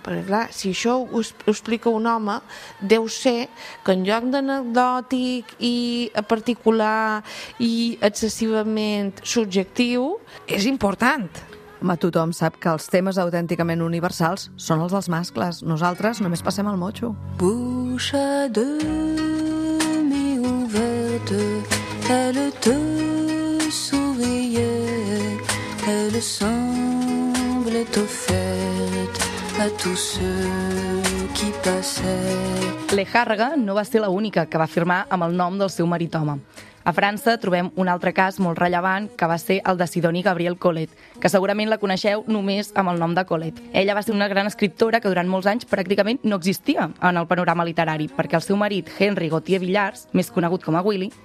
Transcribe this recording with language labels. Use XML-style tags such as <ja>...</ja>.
<ca>Perquè, clar, si això ho explica un home, deu ser que en lloc d'anecdòtic i particular i excessivament subjectiu, és important. Home, tothom sap que els temes autènticament universals són els dels mascles. Nosaltres només passem el motxo.</ca> <fr>Bouche demi-ouverte, elle te souriait, elle semblait offerte à tous ceux qui passaient.</fr> <ca>Lejárraga no va ser l'única que va firmar amb el nom del seu marit home. A França trobem un altre cas molt rellevant, que va ser el de Sidoni Gabriel Colet, que segurament la coneixeu només amb el nom de Colet. Ella va ser una gran escriptora que durant molts anys pràcticament no existia en el panorama literari, perquè el seu marit, Henri Gauthier Villars, més conegut com a Willy,</ca>